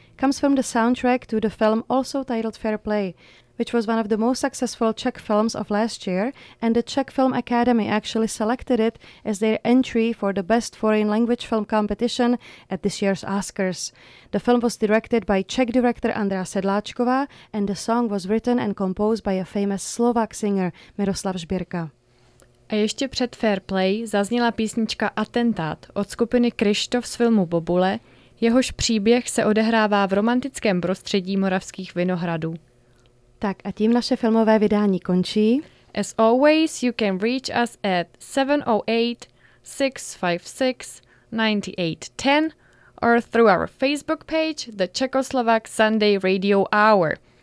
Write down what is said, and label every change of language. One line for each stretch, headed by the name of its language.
English: comes from the soundtrack to the film also titled Fair Play, which was one of the most successful Czech films of last year, and the Czech Film Academy actually selected it as their entry for the best foreign language film competition at this year's Oscars. The film was directed by Czech director Andrea Sedláčková, and the song was written and composed by a famous Slovak singer Miroslav Žbírka.
Czech: A ještě před Fair Play zazněla písnička Atentát od skupiny Krištof z filmu Bobule, jehož příběh se odehrává v romantickém prostředí Moravských Vinohradů. Tak a tím naše filmové vydání končí.
English: As always, you can reach us at 708-656-9810 or through our Facebook page, the Czechoslovak Sunday Radio Hour.